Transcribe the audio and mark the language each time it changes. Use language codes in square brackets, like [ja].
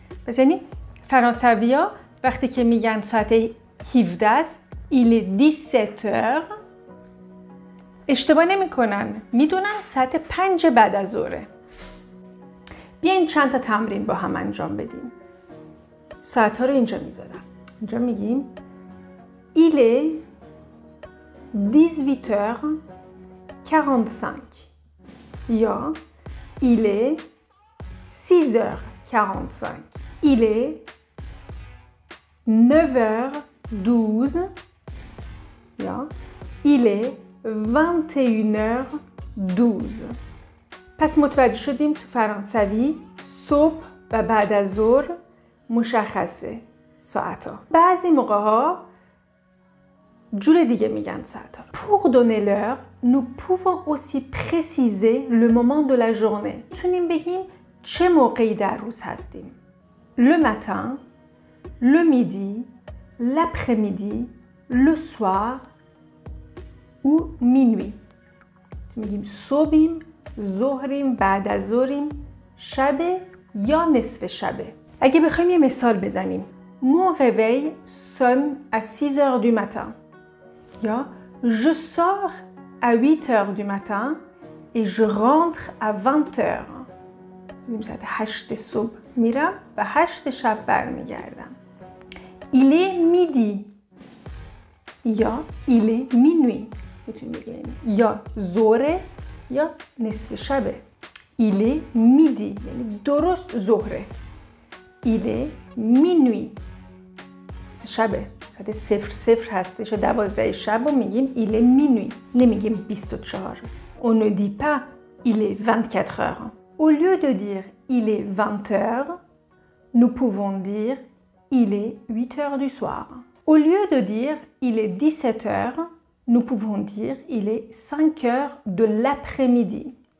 [fa] پس یعنی فرانسوی‌ها وقتی که میگن ساعت 17 است [fr] il est 17h [fa] اشتباه نمی کنن. می دونن ساعت 5 بعد از ظهره. بیاین چند تا تمرین با هم انجام بدیم. ساعت ها رو اینجا می زارم. اینجا می گیم [fr] il est 18h45 یا il est 6h45 il est 9h12 یا il est 21h12. [fa] پس متوجه شدیم تو فرانسوی صبح و بعد از ظهر مشخصه ساعت ها. بعضی موقع ها جور دیگه میگن ساعت ها. [fr] Pour donner l'heure, nous pouvons aussi préciser le moment de la journée. [fa] میتونیم بگیم چه موقعی در روز هستیم. [fr] Le matin, le midi, l'après-midi, le soir, او مینوی. [fa] میگیم صبحیم، ظهریم، بعد از ظهریم، شبه یا نصف شبه. اگه بخوایم یه مثال بزنیم. [fr] Mon réveil sonne à 6h du matin. [fa] یا [fr] je sors à 8h du matin et je rentre à 20h. [fa] میگیم ساعت 8 صبح میرم و 8 شب برمیگردم. [fr] Il est midi. [fa] یا [fr] il est minuit. [fa] یا ظهره یا نصف شبه. [fr] il est midi [fa] یعنی درست ظهره. [fr] il est minuit [fa] شبه. مثبت 00 هستش و 12 شب رو میگیم [fr] il est minuit. [fa] نمیگیم 24. [fr] On ne dit pas il est 24 heures. Au lieu de dire il est 20 heures, nous pouvons dire il est 8 heures du soir. Au lieu de dire il est 17 heures, nous pouvons dire il est 5 heures de l'après-midi.